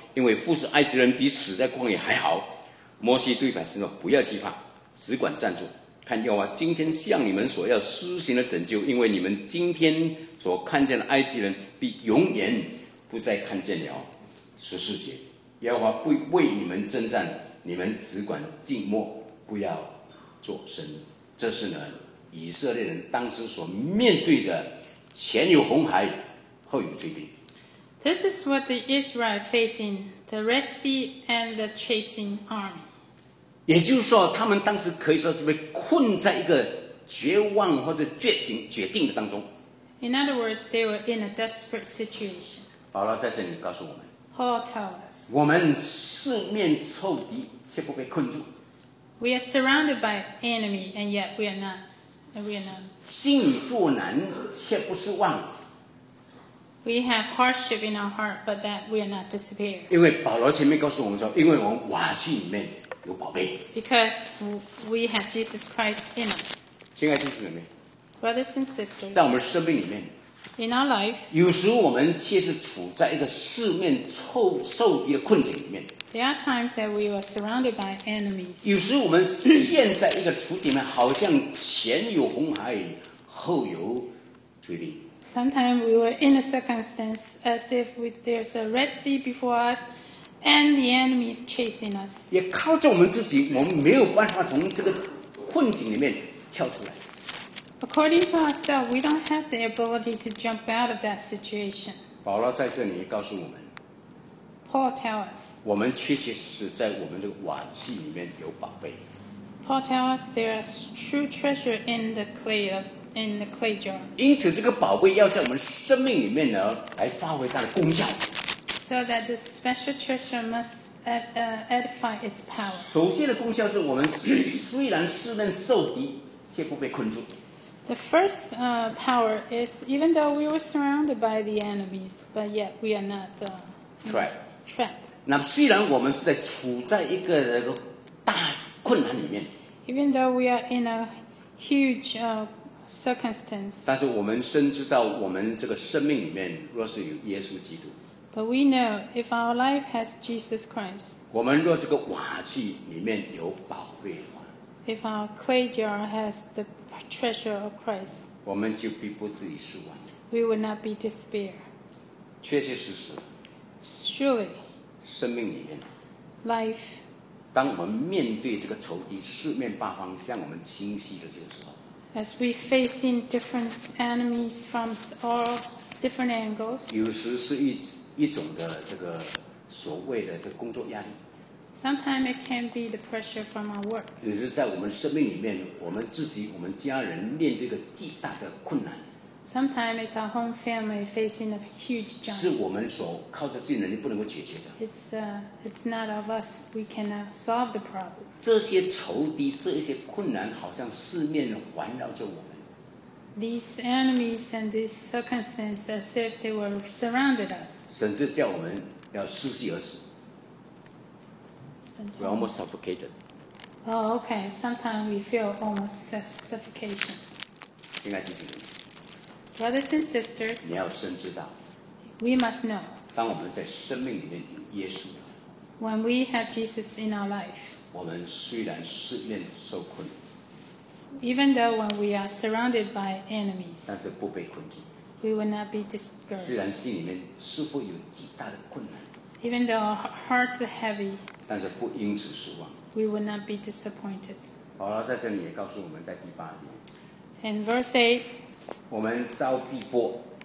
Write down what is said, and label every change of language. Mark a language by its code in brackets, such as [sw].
[zh] 因为服侍埃及人比死在旷野还好。摩西对百姓说：不要惧怕，只管站住，看耶和华今天向你们所要施行的拯救，因为你们今天所看见的埃及人必永远不再看见了。十四节，耶和华不为你们征战，你们只管静默，不要作声。这是呢以色列人当时所面对的，前有红海，后有追兵。 [en] This is what the Israel facing, the Red Sea and the chasing army. [zh] 也就是说他们当时可以说是被困在一个绝望或者绝境的当中。 [en] In other words, they were in a desperate situation. [zh] 保罗在这里告诉我们。 [en] Paul told us. [zh] 我们四面受敌，却不被困住。 [en] We are surrounded by enemy, and yet we are not. We are not. [zh] 心里作难，却不失望。 [en] We have hardship in our heart, but that we are not disappeared. [zh] 因为保罗前面告诉我们说，因为我们瓦器里面有宝贝。 [en] Because we have Jesus Christ in us. [zh] 亲爱的弟兄姐妹。 [en] Brothers and sisters, [zh] 在我们生命里面 [en] in our life, [zh] 有时我们却是处在一个四面受敌的困境里面。 [en] There are times that we are surrounded by enemies. [zh] 有时我们陷在一个处境里面，好像前有红海，后有追兵。 [en] Sometimes we were in a circumstance as if there's a Red Sea before us and the enemy is chasing us. [zh] 也靠着我们自己，我们没有办法从这个困境里面跳出来。 [en] According to ourselves, we don't have the ability to jump out of that situation. [zh] 保罗在这里告诉我们。 [en] Paul tells us. [zh] 我们确确实实在我们这个瓦器里面有宝贝。 [en] Paul tells us there is true treasure in the clay jar. [zh] 因此，这个宝贝要在我们生命里面呢，来发挥它的功效。 [en] So that the special treasure must edify its power. [zh] 首先的功效是我们虽然四面受敌，却不被困住。 [en] The first power is even though we were surrounded by the enemies, but yet we are not trapped. [zh] 那虽然我们是在处在一个大困难里面 [en] ，even though we are in a huge circumstance， [zh] 但是我们深知到我们这个生命里面若是有耶稣基督 [en] ，but we know if our life has Jesus Christ， [zh] 我们若这个瓦器里面有宝贝的话 [en] ，if our clay jar has the treasure of Christ， [zh] 我们就必不至于失望。 [en] We will not be despair。 [zh] 确确实实。 [en] Surely。 [zh] 生命里面。 [en] Life。 [zh] 当我们面对这个仇敌四面八方向我们侵袭的这个时候。 [en] As we facing different enemies from all different angles。 [zh] 有时是一种的这个所谓的这个工作压力。 [en] Sometimes it can be the pressure from our work. [zh] 也是在我们生命里面，我们自己、我们家人面对一个巨大的困难。 [en] Sometimes it's our home family facing a huge challenge. [zh] 是我们所靠着自己能力不能够解决的。 [en] It's not of us. We cannot solve the problem. [zh] 这些仇敌、这些困难，好像四面环绕着我们。 [en] These enemies and these circumstances, as if they were surrounded us. [zh] 甚至叫我们要失息而死。 [en] We're almost suffocated. Oh, okay. Sometimes we feel almost suffocation. [zh] 亲爱的弟兄们 [en] Brothers and sisters, [zh] 你要深知道 [en] We must know. [zh] 当我们在生命里面有耶稣 [en] When we have Jesus in our life, [zh] 我们虽然四面受困, [en] even though when we are surrounded by enemies, [zh] 但是不被困境, [en] we will not be discouraged. [zh] 虽然心里面似乎有极大的困难, [en] even though our hearts are heavy, [zh] 但是不因此失望, [en] we will not be disappointed. [zh] 保罗在这里也告诉我们在第八节, [en] in verse 8, [zh] 我们遭逼迫,